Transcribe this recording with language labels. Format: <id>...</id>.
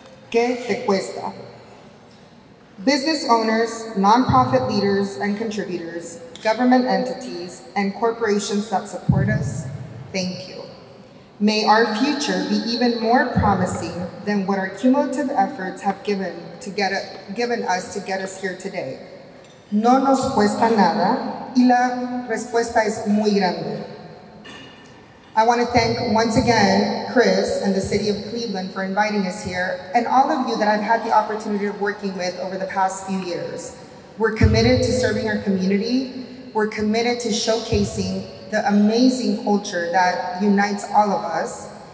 <es>¿Qué te cuesta?</es> <en>Business owners, nonprofit leaders and contributors, government entities, and corporations that support us, thank you. May our future be even more promising than what our cumulative efforts have given us to get us here today.</en> <es>No nos cuesta nada, y la respuesta es muy grande.</es> <en>I want to thank once again Chris and the City of Cleveland for inviting us here and all of you that I've had the opportunity of working with over the past few years. We're committed to serving our community. We're committed to showcasing the amazing culture that unites all of us.</en>